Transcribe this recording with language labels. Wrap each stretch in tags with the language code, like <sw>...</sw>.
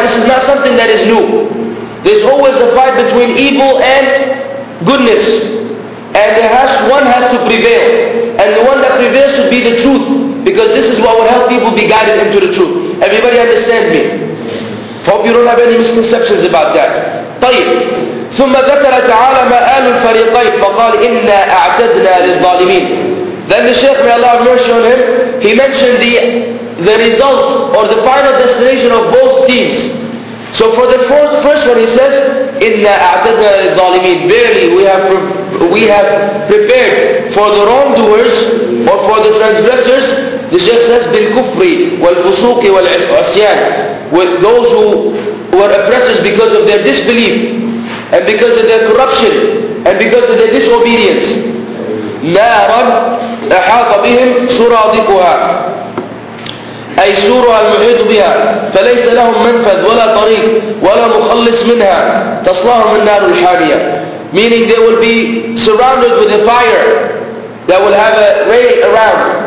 <en>This is not something that is new. There's always a fight between evil and goodness. And one has to prevail. And the one that prevails should be the truth. Because this is what will help people be guided into the truth. Everybody understand me? Hope you don't have any misconceptions about that.</en> <ar>طيب. ثم ذكر تعالى ما آل الفريقين فقال إنا أعتدنا للظالمين.</ar> <en>Then the Shaykh, may Allah have mercy on him, he mentioned the results or the final destination of both teams. So for the first one, he says,</en> <ar>إِنَّا أَعْتَدْنَا لِلظَّالِمِينَ.</ar> <en>Verily, we have prepared for the wrongdoers or for the transgressors. The Shaykh says,</en> <ar>بِالْكُفْرِ وَالْفُسُوقِ وَالْعُصْيَانِ.</ar> <en>With those who were oppressors because of their disbelief and because of their corruption and because of their disobedience.</en> <ar>نَارًا أَحَاطَ بِهِمْ سُرَادِقُهَا. أي سورها المحيط بها فليس لهم منفذ ولا طريق ولا مخلص منها تصلاهم النار الحامية.</ar> <en>Meaning they will be surrounded with a fire that will have a ray around.</en>